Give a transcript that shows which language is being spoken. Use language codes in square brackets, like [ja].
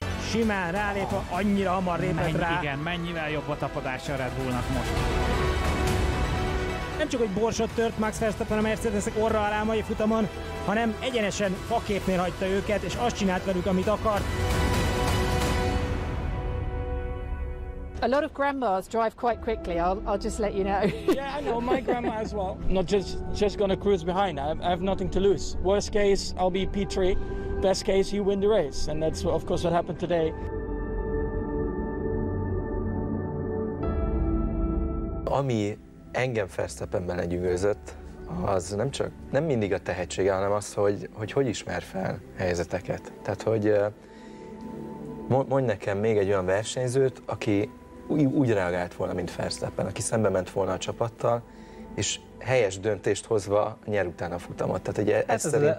[hu] Simán rálép, annyira hamar lépett rá. Igen, mennyivel jobb a tapadása Red Bullnak most. Nem csak, hogy borsot tört Max Verstappen a Mercedesek orra alá mai futamon, hanem egyenesen faképnél hagyta őket, és azt csinált velük, amit akart. [en] A lot of grandmas drive quite quickly, I'll just let you know. Yeah, I know, my grandma as well. Not just gonna cruise behind, I have nothing to lose. Worst case, I'll be P3. Best case, you win the race, and that's of course what happened today. [hu] Ami engem Verstappenben legyűgözött, az nem csak, nem mindig a tehetsége, hanem az, hogy ismer fel helyzeteket. Tehát, hogy mondj nekem még egy olyan versenyzőt, aki úgy reagált volna, mint Verstappen, aki szembe ment volna a csapattal, és helyes döntést hozva nyer után a futamot. Tehát ugye ez szerintem...